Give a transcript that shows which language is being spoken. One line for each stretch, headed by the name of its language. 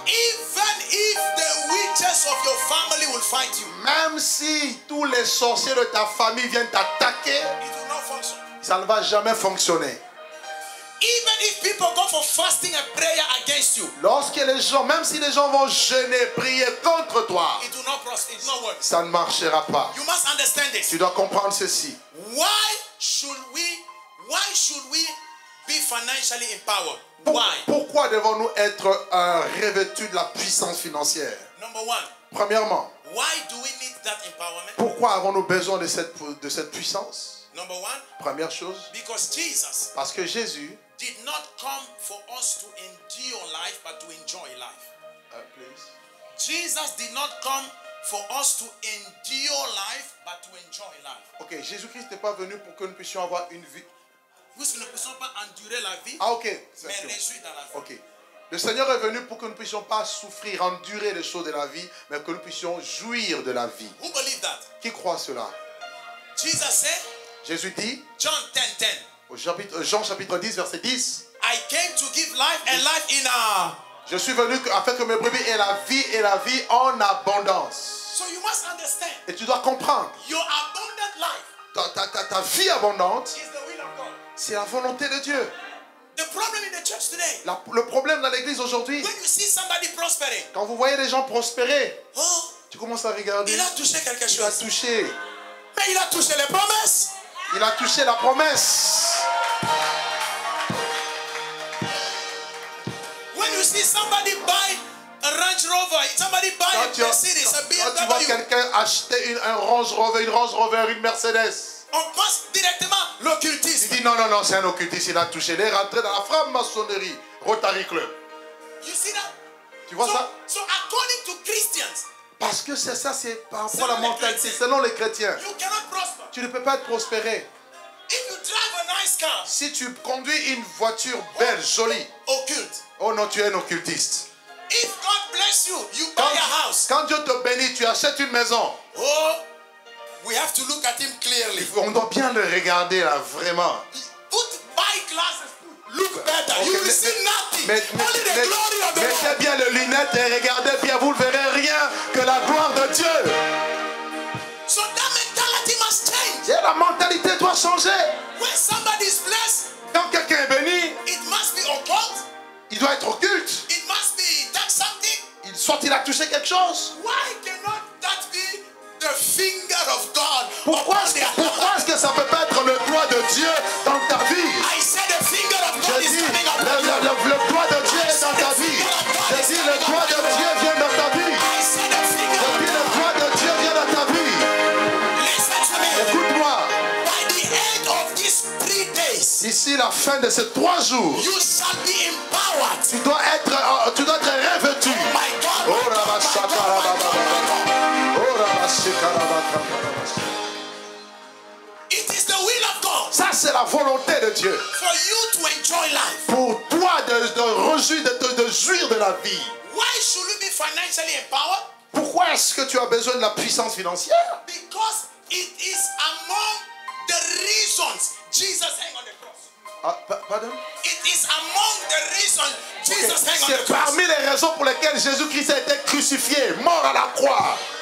English: even if the witches of your family will fight you,
French: même si tous les sorciers de ta famille viennent t'attaquer,
English: it will not function.
French: Ça ne va jamais fonctionner.
English: Even if people go for fasting and prayer against you,
French: lorsque les gens, même si les gens vont jeûner, prier contre toi,
English: it will not prosper, it will not work.
French: Ça ne marchera pas.
English: You must understand this.
French: Tu dois comprendre ceci.
English: Why should we be financially empowered? Why?
French: Pourquoi devons-nous être revêtus de la puissance financière?
English: Number one.
French: Premièrement.
English: Why do we need that empowerment?
French: Pourquoi avons-nous besoin de cette puissance?
English: Number one.
French: Première chose.
English: Because Jesus.
French: Parce que Jésus.
English: Did not come for us to endure life, but to enjoy life. Please. Jesus did not come for us to endure life, but to enjoy life. Okay.
French: Jésus-Christ n'est pas venu pour que nous puissions avoir une vie. Nous ne puissions pas endurer la vie,
English: ah, okay.
French: Mais réjouir dans la vie.
English: Okay.
French: Le Seigneur est venu pour que nous ne puissions pas souffrir, endurer les choses de la vie, mais que nous puissions jouir de la vie.
English: Who believe that?
French: Qui croit cela?
English: Jesus said,
French: Jésus dit,
English: John 10, 10.
French: Au chapitre, Jean chapitre 10, verset 10,
English: I came to give life and life in a...
French: Je suis venu afin que mes brebis aient la vie et la vie en abondance.
English: So you must understand,
French: et tu dois comprendre,
English: your abundant life,
French: ta vie abondante, c'est la volonté de Dieu.
English: The problem in the church today,
French: le problème dans l'église aujourd'hui,
English: when you see somebody prospering,
French: quand vous voyez des gens prospérer, oh, tu commences à regarder. Il a touché quelque chose. Il a touché. Mais il a touché les promesses. Il a touché la promesse.
English: When you see somebody buy a Range Rover, somebody buy
French: quand
English: a Mercedes, a BMW.
French: Quand tu vois quelqu'un acheter une Range Rover, une Mercedes, on passe directement l'occultisme. Il dit non, c'est un occultiste, il a touché. Il est rentré dans la franc-maçonnerie, Rotary Club.
English: You see that?
French: Tu vois
English: so,
French: ça?
English: So according to Christians,
French: parce que c'est ça, c'est par rapport à la mentalité, selon les chrétiens.
English: You cannot prosper.
French: Tu ne peux pas être prospéré.
English: If you drive a nice car,
French: si tu conduis une voiture belle, jolie, occulte. Oh non, tu es un occultiste.
English: If God bless you, you buy a house.
French: Quand Dieu te bénit, tu achètes une maison.
English: Oh. We have to look at him clearly.
French: On doit bien le regarder là, vraiment.
English: Put my glasses. Look better. Okay, you will see nothing.
French: Mais,
English: only the glory of the Lord.
French: Mettez bien les lunettes et regardez bien, vous ne verrez rien que la gloire de Dieu.
English: So that mentality must change.
French: Et la mentalité doit changer.
English: When somebody is blessed,
French: quand quelqu'un est béni,
English: it must be occult.
French: Il doit être occulte.
English: It must be that something.
French: Soit il a touché quelque chose.
English: Why cannot that be the finger of God?
French: Pourquoi est-ce que ça peut pas être le doigt de Dieu dans ta vie?
English: I said the finger of God is coming up.
French: Le doigt de Dieu est dans ta vie. Je dis le doigt de Dieu vient dans ta vie. Je dis le doigt de Dieu vient dans ta vie. Écoute-moi.
English: By the end of these 3 days,
French: ici la fin de ces 3 jours,
English: you shall be empowered.
French: Tu dois être revêtu.
English: Oh my God. It is the will of God.
French: Ça c'est la volonté de Dieu.
English: For you to enjoy life.
French: Pour toi de jouir de la vie.
English: Why should you be financially empowered?
French: Pourquoi est-ce que tu as besoin de la puissance financière?
English: Because it is among the reasons Jesus hang on the cross.
French: Pardon?
English: It is among the reasons Jesus hang on the cross.
French: C'est parmi les raisons pour lesquelles Jésus-Christ a été crucifié, mort à la croix.